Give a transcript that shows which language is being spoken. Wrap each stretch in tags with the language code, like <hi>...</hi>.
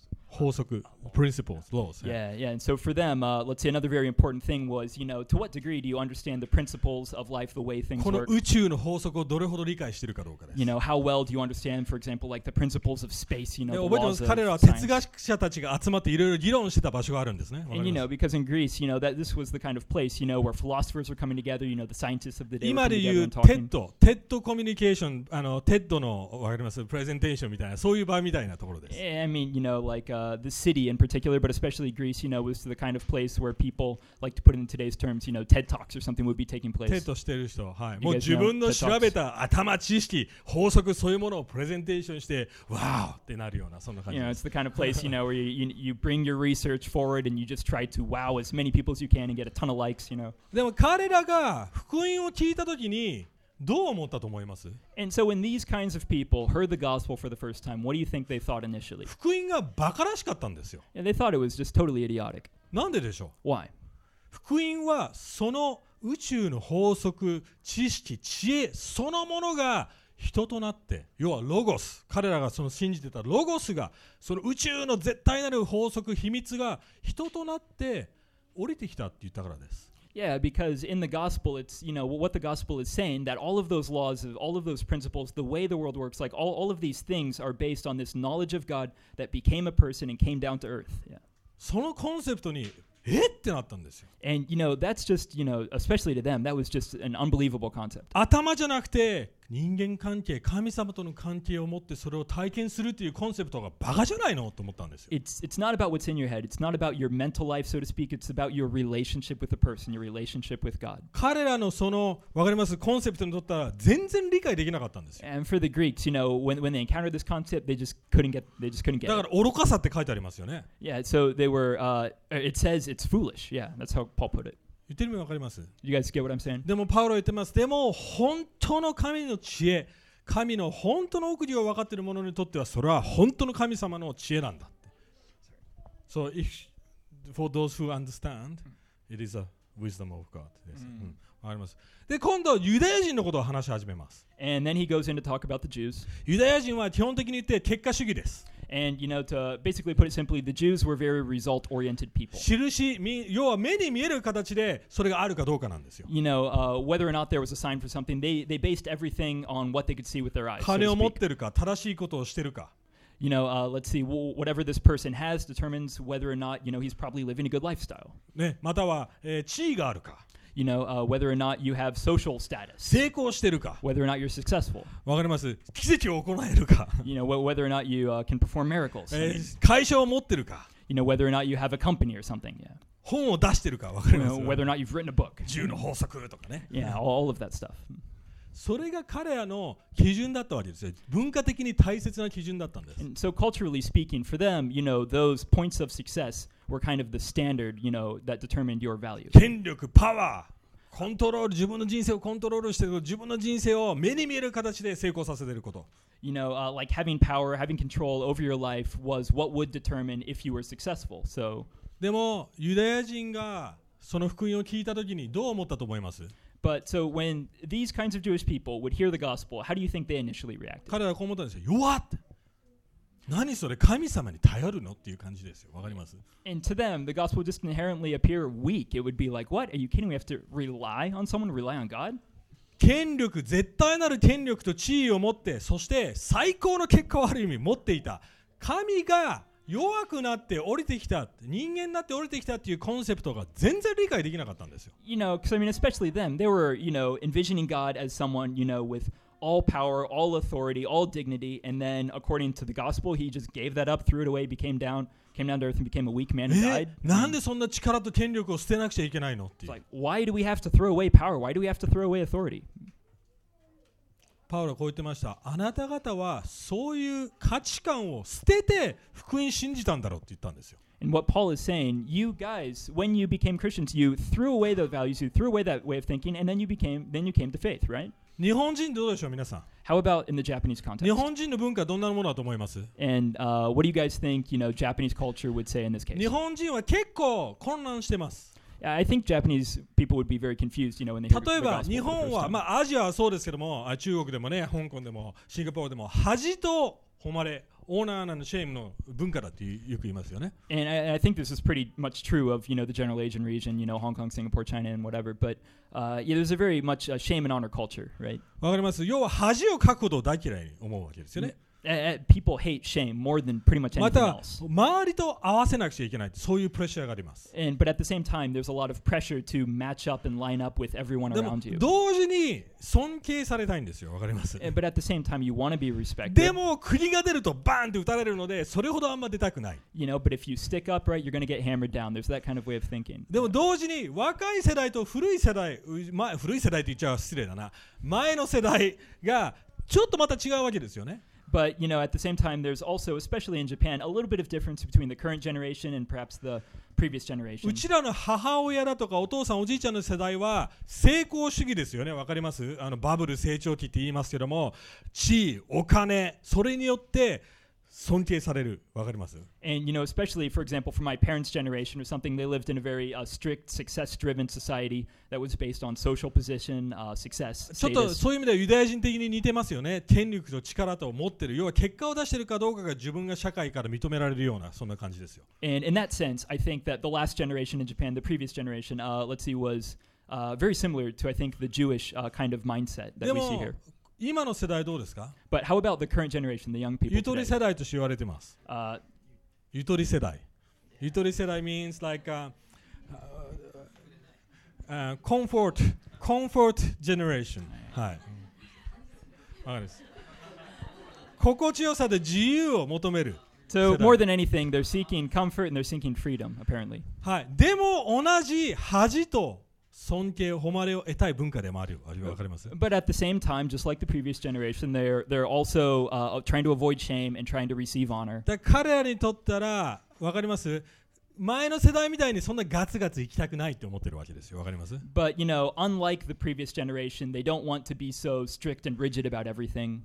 <en>法則、principles, laws. Yeah, yeah. And so for them, let's say another very important thing was, you know, to what degree do you understand the principles of life, the way things work?</en> <ja>この宇宙の法則をどれほど理解しているかどうかです。</ja> <en>You know, how well do you understand, for example, like the principles of space, you know, the laws of</en> <ja>彼らは哲学者たちが集まっていろいろ議論してた場所があるんですね。</ja> <en>And you know, because in Greece, you know, that this was the kind of place, you know, where philosophers were coming together, you know, the scientists of the day were coming together and talking.</en> <ja>今で言うテッドコミュニケーション、テッドの、わかります、プレゼンテーションみたいな、そういう場みたいなところです。</ja> <en>Yeah, I mean, you know, like, the city in particular, but especially Greece, you know, was the kind of place where people, like to put it in today's terms, you know, TED Talks or something would be taking place.</en> <ja>TED としてる人、はい。もう自分の調べた頭知識、法則、そういうものをプレゼンテーションして、わーってなるような、そんな感じ。</ja> <en>You know, it's the kind of place, you know, where you bring your research forward and you just try to wow as many people as you can and get a ton of likes, you know.</en> <ja>でも彼らが福音を聞いたときに、どう思ったと思います?</ja> <en>And so when these kinds of people heard the gospel for the first time, what do you think they thought initially?</en> <ja>福音がバカらしかったんですよ。</ja> <en>And they thought it was just totally idiotic.</en> <ja>なんででしょう?</ja> <en>Why?</en> <ja>福音はその宇宙の法則、知識、知恵そのものが人となって、要はロゴス、彼らがその信じてたロゴスが、その宇宙の絶対なる法則、秘密が人となって降りてきたって言ったからです。</ja> <en>Yeah, because in the gospel, it's, you know, what the gospel is saying, that all of those laws, all of those principles, the way the world works, like all of these things are based on this knowledge of God that became a person and came down to earth. Yeah.</en> <ja>そのコンセプトに、え?ってなったんですよ。</ja> <en>And, you know, that's just, you know, especially to them, that was just an unbelievable concept.</en> <ja>頭じゃなくて、人間関係、神様との関係を持ってそれを体験するというコンセプトがバカじゃないの? と思ったんですよ。</ja> <en>It's not about what's in your head. It's not about your mental life, so to speak. It's about your relationship with the person, your relationship with God.</en> <ja>彼らのその、わかります?コンセプトにとったら全然理解できなかったんですよ。</ja> <en>And for the Greeks, you know, when they encountered this concept, they just couldn't get it.</en> <ja>だから愚かさって書いてありますよね。</ja> <en>Yeah, so they were, it says it's foolish. Yeah, that's how Paul put it.</en> <ja>言ってる意味わかります?</ja> <en>You guys get what I'm saying?</en> <ja>でもパウロ言ってます。でも本当の神の知恵、神の本当の奥義を分かっている者にとってはそれは本当の神様の知恵なんだ。</ja> <en>So if for those who understand, it is a wisdom of God.</en> <ja>Yes. わかります。で今度ユダヤ人のことを話し始めます。</ja> <en>And then he goes in to talk about the Jews.</en> <ja>ユダヤ人は基本的に言って結果主義です。</ja> <en>And you know, to basically put it simply, the Jews were very result-oriented people. You know, whether or not there was a sign for something, they based everything on what they could see with their eyes.</en> <ja>金を持ってるか、正しいことをしてるか。</ja> <en>You know, let's see, whatever this person has determines whether or not, you know, he's probably living a good lifestyle.</en> <ja>ね、または、地位があるか。</ja> <en>You know, whether or not you have social status.</en> <ja>成功してるか?</ja> <en>Whether or not you're successful.</en> <ja>わかります。奇跡を行えるか?</ja> <en>You know, whether or not you can perform miracles.</en> <ja>会社を持ってるか?</ja> <en>You know, whether or not you have a company or something. Yeah.</en> <ja>本を出してるか?わかります。</ja> <en>You know, whether or not you've written a book.</en> <ja>銃の法則とかね。</ja> <en>Yeah, all of that stuff.</en> <ja>それが彼らの基準だったわけですよ。文化的に大切な基準だったんです。</ja> <en>And so culturally speaking, for them, you know, those points of success were kind of the standard, you know, that determined your values.</en> <ja>権力、パワー、コントロール、自分の人生をコントロールして、自分の人生を目に見える形で成功させていること。</ja> <en>You know, like having power, having control over your life was what would determine if you were successful. So,</en> <ja>でも、ユダヤ人がその福音を聞いたときにどう思ったと思います?</ja> <en>But so when these kinds of Jewish people would hear the gospel, how do you think they initially reacted?</en> <ja>彼らはこう思ったんですよ。弱っ!何それ神様に頼るのっていう感じですよ。わかります?</ja> <en>And to them, the gospel just inherently appear weak. It would be like, what? Are you kidding? We have to rely on someone? Rely on God?</en> <ja>権力、絶対なる権力と地位を持って、そして最高の結果をある意味持っていた。神が弱くなって降りてきた、人間になって降りてきたっていうコンセプトが全然理解できなかったんですよ。</ja> <en>You know, because I mean, especially them, they were, you know, envisioning God as someone, you know, withall power, all authority, all dignity, and then according to the gospel, he just gave that up, threw it away, came down to earth and became a weak man and died. It's like, why do we have to throw away power? Why do we have to throw away authority? Paul said this,</en> <ja>あなた方はそういう価値観を捨てて福音信じたんだろうって言ったんですよ。</ja> <en>And what Paul is saying, you guys, when you became Christians, you threw away those values, you threw away that way of thinking, and then you came to faith, right?</en> <ja>日本人どうでしょう皆さん。</ja> <en>How about in the Japanese context?</en> <ja>日本人の文化どんなものだと思います?</ja> <en>And what do you guys think, you know, Japanese culture would say in this case?</en> <ja>日本人は結構混乱してます。</ja> <en>I think Japanese people would be very confused, you know, when they hear the gospel for the first time.</en> <ja>例えば日本は、まあアジアはそうですけども、中国でもね、香港でも、シンガポールでも、恥と誉れ、オーナーなのシェイムの文化だってよく言いますよね。</ja> <en>And I think this is pretty much true of, you know, the general Asian region, you know, Hong Kong, Singapore, China, and whatever, but... yeah, there's a very much a shame and honor culture, right?</en> <ja>わかります。要は恥をかくことを大嫌いに思うわけですよね。</ja> <en>People hate shame more than pretty much anything else.</en> <ja>また、周りと合わせなくちゃいけない。そういうプレッシャーがあります。</ja> <en>And, but at the same time, there's a lot of pressure to match up and line up with everyone around you.</en> <ja>でも、同時に尊敬されたいんですよ。わかります。</ja> <en>But at the same time, you want to be respected.</en> <ja>でも、釘が出るとバーンって打たれるので、それほどあんま出たくない。</ja> <en>You know, but if you stick up, right, you're going to get hammered down. There's that kind of way of thinking.</en> <ja>でも、同時に若い世代と古い世代、前、古い世代って言っちゃ失礼だな。前の世代がちょっとまた違うわけですよね。</ja> <en>But, you know, at the same time, there's also, especially in Japan, a little bit of difference between the current generation and perhaps the previous generation.</en> <ja>うちらの母親だとかお父さん、おじいちゃんの世代は成功主義ですよね。わかります？あのバブル成長期って言いますけども、地位、お金、それによって尊敬される。わかります？</ja> <en>And, you know, especially, for example, for my parents' generation or something, they lived in a very strict, success-driven society that was based on social position, success, status.</en> <ja>ちょっとそういう意味ではユダヤ人的に似てますよね。権力の力と持ってる。要は結果を出してるかどうかが自分が社会から認められるような、そんな感じですよ。</ja> <en>And in that sense, I think that the last generation in Japan, the previous generation, let's see, was very similar to, I think, the Jewish kind of mindset that we see here.</en> <ja>今の世代どうですか?</ja> <en>But how about the current generation, the young people?</en> <ja>ゆとり世代と言われてます。ゆとり世代。</ja> <en>ゆとり世代 means like comfort generation.</en> <ja>はい。わかります。心地よさで自由を求める。</ja> <en>So more than anything, they're seeking comfort and they're seeking freedom, apparently.</en> <ja>はい。でも同じ恥と尊敬、誉れを得たい文化でもある。わかります。</ja> <en>But at the same time, just like the previous generation, they're also trying to avoid shame and trying to receive honor.</en> <ja>だから彼らにとったら、わかります?前の世代みたいにそんなガツガツ行きたくないって思ってるわけですよ。わかります?</ja> <en>But, you know, unlike the previous generation, they don't want to be so strict and rigid about everything.</en>